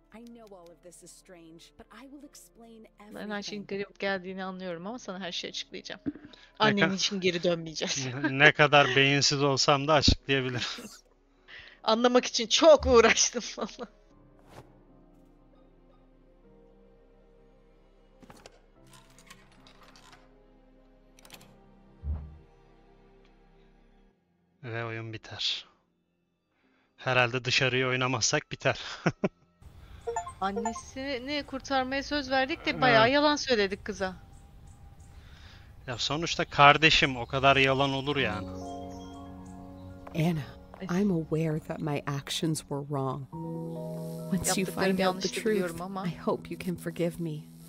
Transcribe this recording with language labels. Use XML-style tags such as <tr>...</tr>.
<en>I know all of this is strange, but I will explain everything.</en> <tr>Ben her şeyin garip geldiğini anlıyorum ama sana her şeyi açıklayacağım. Annen için geri dönmeyeceğiz. Ne kadar beyinsiz olsam da açıklayabilirim. Anlamak için çok uğraştım valla. Ve oyun biter. Herhalde dışarıyı oynamazsak biter. Annesini kurtarmaya söz verdik de bayağı yalan söyledik kıza. Ya sonuçta kardeşim, o kadar yalan olur yani.</tr> <en>Anna, I'm aware that my actions were wrong. Once you find out the truth, I hope you can forgive me.</en>